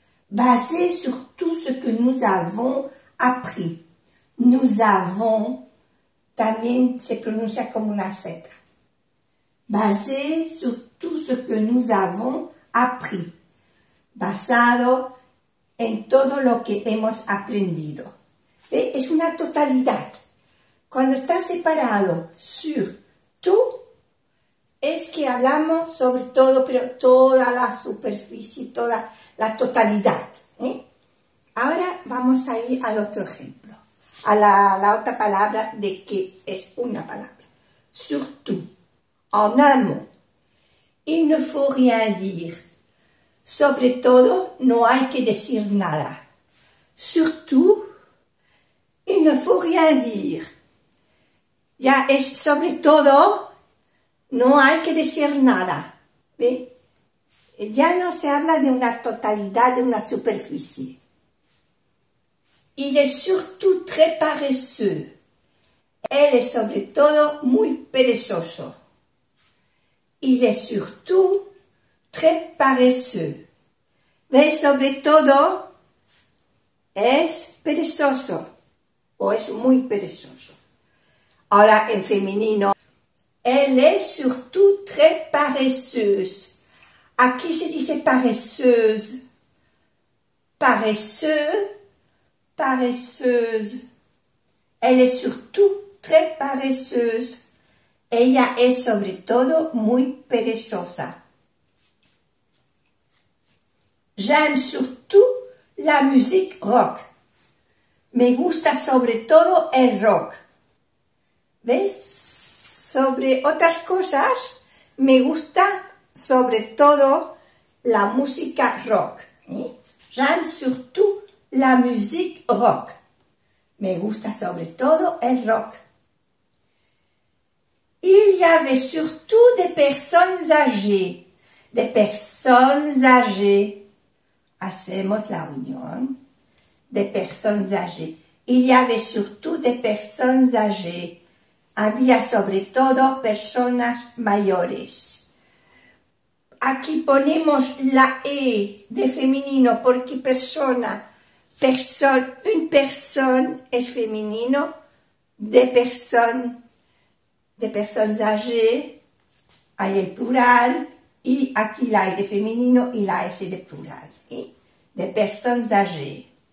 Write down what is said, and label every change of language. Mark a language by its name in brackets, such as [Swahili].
[French] Basé sur tout ce que nous avons appris. Nous avons, también se prononce comme une accent. Basé sur tout ce que nous avons appris. [Spanish] Basado en todo lo que hemos aprendido. Es una totalidad. Cuando está separado sur tout, es que hablamos sobre todo, pero toda la superficie, toda la totalidad, ¿eh? Ahora vamos a ir al otro ejemplo, a la otra palabra de que es una palabra. [French] Surtout, en un mot. Il ne faut rien dire. [Spanish] Sobre todo, no hay que decir nada. [French] Surtout, il ne faut rien dire. [Spanish] Ya es sobre todo, no hay que decir nada. ¿Ve? Ya no se habla de una totalidad, de una superficie. [French] Il est surtout très paresseux. [Spanish] Él es sobre todo muy perezoso. [French] Il est surtout très paresseux. [Spanish] ¿Ves? Sobre todo es perezoso o es muy perezoso. Ahora en femenino. Él es [French] surtout très paresseuse. [Spanish] Aquí se dice paresseuse, paresseux, paresseuse. [French] Elle est surtout très paresseuse. [Spanish] Ella es sobre todo muy perezosa. [French] J'aime surtout la musique rock. [Spanish] Me gusta sobre todo el rock. ¿Ves? Sobre otras cosas, me gusta sobre todo la música rock. ¿Eh? [French] J'aime surtout la musique rock. [Spanish] Me gusta sobre todo el rock. [French] Il y avait surtout des personnes âgées. Des personnes âgées. [Spanish] Hacemos la unión. [French] Des personnes âgées. Il y avait surtout des personnes âgées. [Spanish] Había sobre todo personas mayores. Aquí ponemos la E de femenino porque persona, [French] une personne [Spanish] es femenino, [French] des personnes âgées, [Spanish] hay el plural, y aquí la E de femenino y la S de plural, y des personnes âgées.